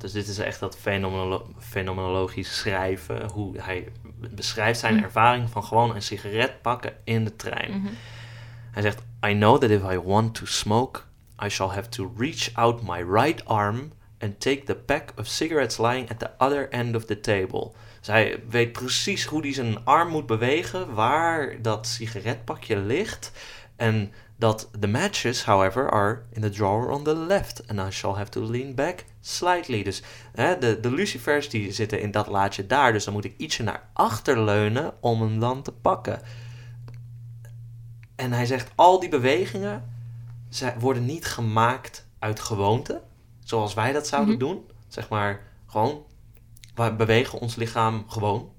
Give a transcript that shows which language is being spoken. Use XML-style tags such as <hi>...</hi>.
<nl>Dus dit is echt dat fenomenologisch schrijven. Hoe hij beschrijft zijn ervaring van gewoon een sigaret pakken in de trein. Mm-hmm. Hij zegt,</nl> <en>I know that if I want to smoke, I shall have to reach out my right arm and take the pack of cigarettes lying at the other end of the table.</en> <nl>Dus hij weet precies hoe hij zijn arm moet bewegen, waar dat sigaretpakje ligt. En dat</nl> <en>the matches, however, are in the drawer on the left. And I shall have to lean back slightly.</en> <nl>Dus hè, de lucifers die zitten in dat laadje daar. Dus dan moet ik ietsje naar achter leunen om hem dan te pakken. En hij zegt, al die bewegingen ze worden niet gemaakt uit gewoonte. Zoals wij dat zouden doen. Zeg maar, gewoon, wij bewegen ons lichaam gewoon.</nl>